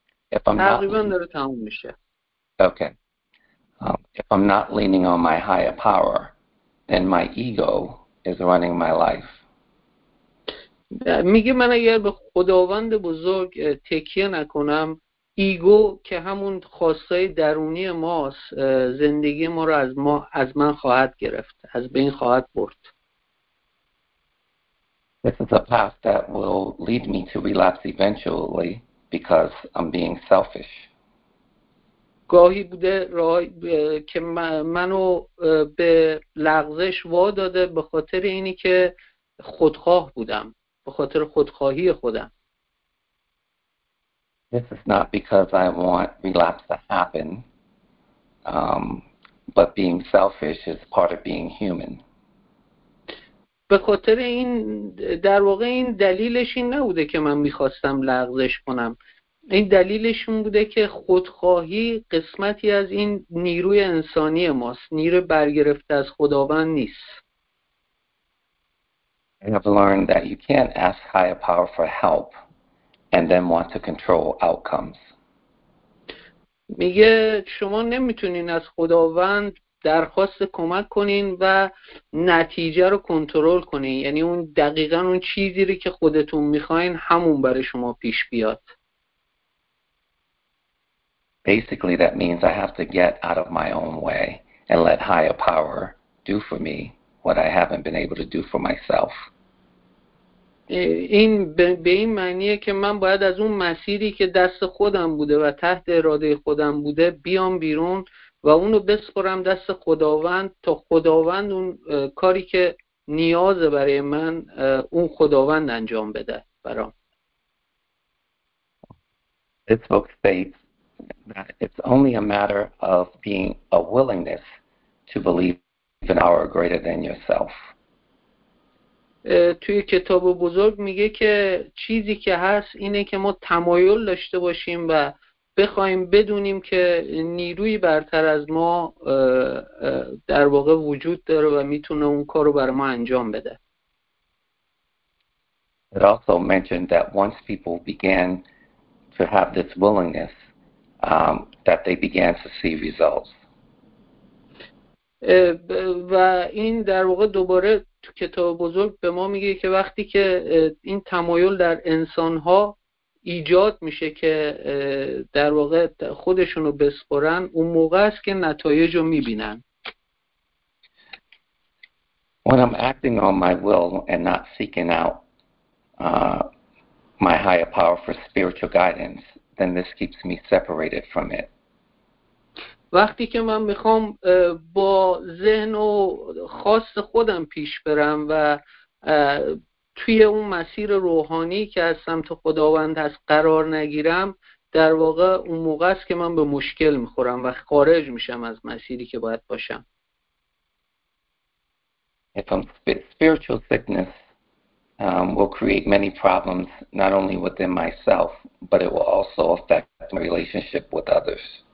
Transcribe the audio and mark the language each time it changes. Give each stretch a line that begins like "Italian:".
English: If I'm not if I'm not leaning on my higher power, then my ego is running my life.
Persian: میگه من اگر به خداوند بزرگ تکیه نکنم، ایگو که همون خواستای درونی ماست، زندگی ما رو از من خواهد گرفت، از بین خواهد برد.
English: This is a path that will lead me to relapse eventually because I'm being selfish.
Persian: گاهی بوده راه که منو به لغزش واداده به خاطر اینی که خودخواه بودم، به خاطر خودخواهی خودم.
English: This is not because I want relapse to happen, but being selfish is part of being human.
Persian: به خاطر این، در واقع این دلیلش این نبوده که من میخواستم لغزش کنم، این دلیلش این بوده که خودخواهی قسمتی از این نیروی انسانی ماست، نیروی برگرفته از خداوند نیست.
English: I have learned that you can't ask higher power for help and then want to control outcomes.
Persian: میگه شما نمیتونین از خداوند درخواست کمک کنین و نتیجه رو کنترل کنین، یعنی اون دقیقاً اون چیزی رو که خودتون میخواین همون برای شما پیش بیاد.
English: Basically that means I have to get out of my own way and let higher power do for me what I haven't been able to do for myself.
Persian: این به این معنیه که من باید از اون مسیری که دست خودم بوده و تحت اراده خودم بوده بیام بیرون و اونو بسپرم دست خداوند تا خداوند اون کاری که نیازه برای من اون خداوند انجام بده برام.
English: This book states that it's only a matter of being a willingness to believe in our greater than yourself.
Persian: توی کتاب بزرگ میگه که چیزی که هست اینه که ما تمایل داشته باشیم و بخوایم بدونیم که نیروی برتر از ما در واقع وجود داره و میتونه اون کار رو برای ما انجام بده.
English: It also mentioned that once people began to have this willingness, that they began to see results.
Persian: و این در واقع دوباره تو کتاب بزرگ به ما میگه که وقتی که این تمایل در انسان‌ها ایجاد میشه که در واقع خودشونو بسپرن اون موقع است که نتایجو میبینن.
English: When I'm acting on my will and not seeking out my higher power for spiritual guidance, then this keeps me separated from it.
Persian: وقتی که من میخوام با ذهن و خاص خودم پیش برم و توی اون مسیر روحانی که از سمت خداوند هست قرار نگیرم، در واقع اون موقع است که من به مشکل میخورم و خارج میشم از مسیری که باید باشم.
English: If I'm spiritual sickness will create many problems not only within myself, but it will also affect my relationship with others.